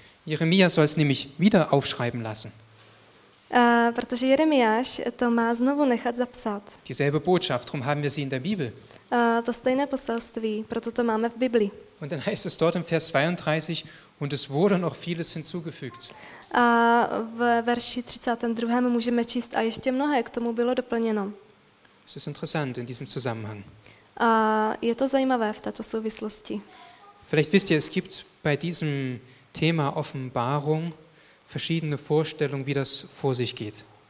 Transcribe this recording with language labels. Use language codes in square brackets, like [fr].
[de] Jeremia soll es nämlich wieder aufschreiben lassen. [cs] Protože Jeremiáš to má znovu nechat zapsat. [de] Dieselbe Botschaft, drum haben wir sie in der Bibel. [cs] To stejné poselství, proto to máme v Biblii. [de] Und dann heißt es dort im Vers 32 und es wurde noch vieles hinzugefügt. [cs] A v verši 32. můžeme číst a ještě mnohé k tomu bylo doplněno. [de] Es ist interessant in diesem Zusammenhang. [cs] A je to zajímavé v této souvislosti. [de] Vielleicht wisst ihr, es gibt bei diesem Thema Offenbarung verschiedene Vorstellungen, wie das vor sich geht.